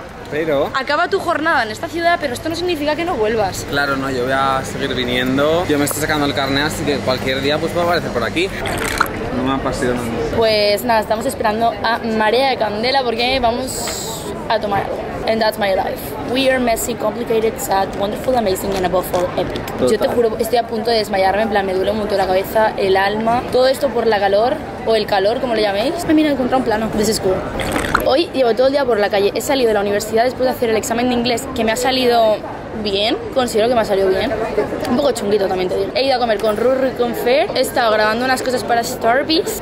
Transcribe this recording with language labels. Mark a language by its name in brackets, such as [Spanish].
[Spanish] Pero... Acaba tu jornada en esta ciudad, pero esto no significa que no vuelvas. Claro, no. Yo voy a seguir viniendo. Yo me estoy sacando el carnet, así que cualquier día pues puedo aparecer por aquí. No me apasiona. Pues nada, estamos esperando a Marea de Candela porque vamos a tomar algo. [English] And that's my life. We are messy, complicated, sad, wonderful, amazing, and above all, epic. [Spanish] Total. Yo te juro, estoy a punto de desmayarme, en plan, me duele un montón la cabeza, el alma. Todo esto por la calor, o el calor, como lo llaméis. Me mira, encontré un plano. [English] This is cool. [Spanish] Hoy llevo todo el día por la calle. He salido de la universidad después de hacer el examen de inglés, que me ha salido bien. Considero que me ha salido bien. Un poco chunguito, también te digo. He ido a comer con Ruru y con Fer. He estado grabando unas cosas para Starbeats.